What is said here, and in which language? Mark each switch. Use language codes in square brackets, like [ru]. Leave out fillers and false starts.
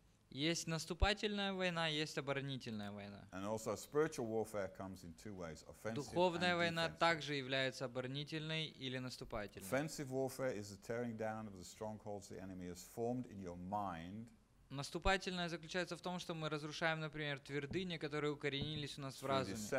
[ru] Есть наступательная война, есть оборонительная война. [en] And also spiritual warfare comes in two ways, offensive [ru] духовная [en] and [ru] война [en] defensive. [ru] Также является оборонительной или наступательной. [en] Offensive warfare is the tearing down of the strongholds the enemy has formed in your mind. [ru] Наступательное заключается в том, что мы разрушаем, например, твердыни, которые укоренились у нас в разуме.